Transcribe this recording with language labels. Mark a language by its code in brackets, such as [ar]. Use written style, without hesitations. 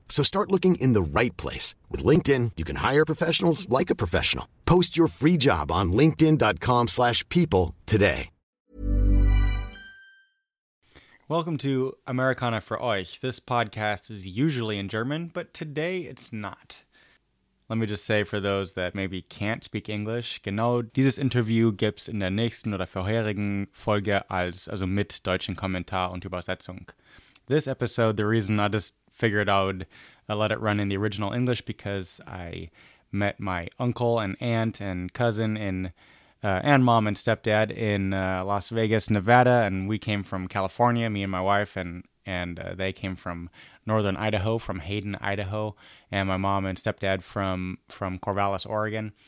[en] So start looking in the right place. With LinkedIn, you can hire professionals like a professional. Post your free job on linkedin.com/people today. Welcome to Americana für euch. This podcast is usually in German, but today it's not. Let me just say for those that maybe can't speak English, [de] genau dieses Interview gibt's in der nächsten oder vorherigen Folge als, also mit deutschen Kommentar und Übersetzung. [en] This episode, the reason I just figured out I let it run in the original English because I met my uncle and aunt and cousin in and mom and stepdad in Las Vegas, Nevada, and we came from California, me and my wife, and they came from northern Idaho, from Hayden, Idaho, and my mom and stepdad from Corvallis, Oregon.